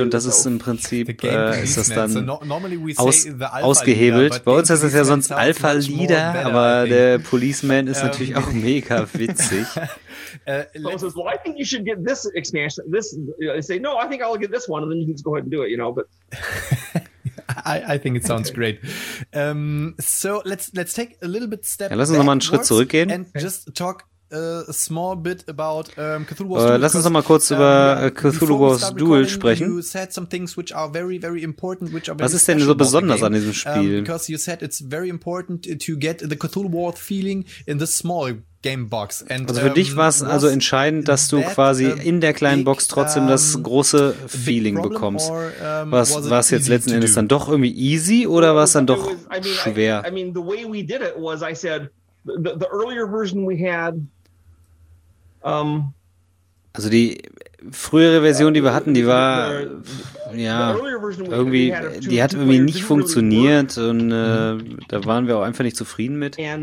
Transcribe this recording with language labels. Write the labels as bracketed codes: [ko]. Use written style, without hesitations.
[de] Und das ist im Prinzip, ist das dann ausgehebelt. Bei uns ist es ja sonst Alpha Leader, aber der Policeman ist natürlich auch mega witzig. [en] I think you should get this expansion. This, I say, no, I think I'll get this one, and then you can just go ahead and do it, you know. But I think it sounds great. So let's take a little bit step. [de] Ja, lass uns nochmal einen Schritt zurückgehen. [en] And just talk a small bit about Cthulhu Wars. [de] Lass uns nochmal kurz über Cthulhu Wars Duel sprechen. [en] You said some things which are very, very important, which are. [de] Was ist denn so besonders an diesem Spiel? [en] Because you said it's very important to get the Cthulhu Wars feeling in the small. Gamebox. And, [de] also für dich war es also entscheidend, dass du quasi in der kleinen Box trotzdem das große Feeling bekommst. War es jetzt letzten Endes dann doch irgendwie easy oder war es dann doch schwer? [en] The way we did it was, I said, the earlier version we had. [de] Also die frühere Version, die wir hatten, die war ja irgendwie, die hat irgendwie nicht funktioniert und da waren wir auch einfach nicht zufrieden mit.